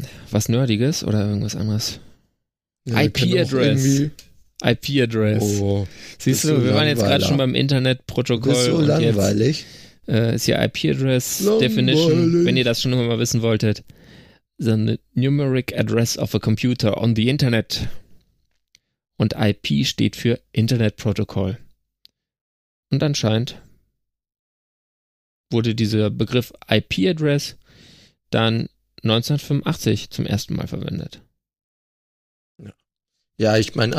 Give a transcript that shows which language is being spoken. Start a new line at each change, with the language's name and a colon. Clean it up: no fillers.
German: Was Nerdiges oder irgendwas anderes? Ja, IP-Address. IP-Address. Oh, siehst du, wir waren jetzt gerade schon beim Internetprotokoll. Ist so langweilig. Ist hier IP-Address-Definition, wenn ihr das schon mal wissen wolltet.
English: The numeric address of a computer on the Internet.
German: Und IP steht für Internet Protocol. Und anscheinend wurde dieser Begriff IP-Address dann 1985 zum ersten Mal verwendet. Ja, ich meine, IPv6.